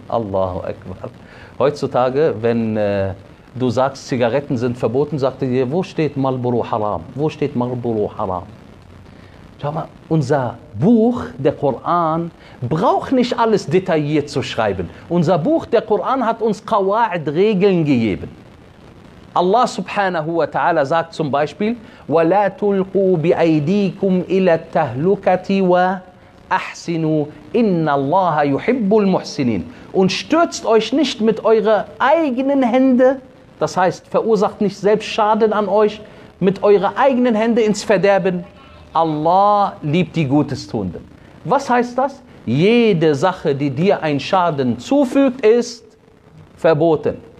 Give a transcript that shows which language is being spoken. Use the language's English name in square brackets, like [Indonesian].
[German] Allahu Akbar. Heutzutage, wenn du sagst, Zigaretten sind verboten, sagt er dir, wo steht Marlboro Haram? Wo steht Marlboro Haram? Schau mal, unser Buch, der Koran, braucht nicht alles detailliert zu schreiben. Unser Buch, der Koran, hat uns Qawaid, Regeln gegeben. [Arabic] Allah subhanahu wa ta'ala [German] sagt zum Beispiel, [Arabic] وَلَا تُلْقُوا بِأَيْدِيكُمْ إِلَى التَّهْلُكَةِ وَأَحْسِنُوا إِنَّ اللَّهَ يُحِبُّ الْمُحْسِنِينَ. [German] Und stürzt euch nicht mit eurer eigenen Hände, das heißt, verursacht nicht selbst Schaden an euch, mit eurer eigenen Hände ins Verderben. Allah liebt die Gutestuenden. Was heißt das? Jede Sache, die dir einen Schaden zufügt, ist verboten.